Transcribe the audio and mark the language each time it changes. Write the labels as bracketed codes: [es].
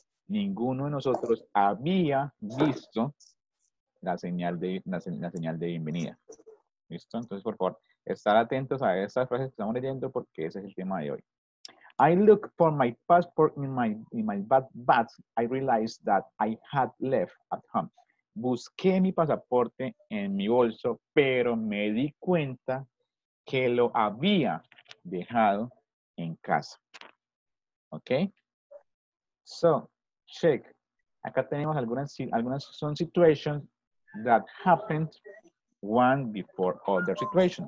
[es] Ninguno de nosotros había visto la señal de bienvenida. ¿Listo? Entonces, por favor, estar atentos a estas frases que estamos leyendo porque ese es el tema de hoy. [en] I look for my passport in my bag, but I realized that I had left at home. [es] Busqué mi pasaporte en mi bolso, pero me di cuenta que lo había dejado en casa. [en] Okay? So, check. [es] Acá tenemos algunas son [en] situations that happened one before other situation.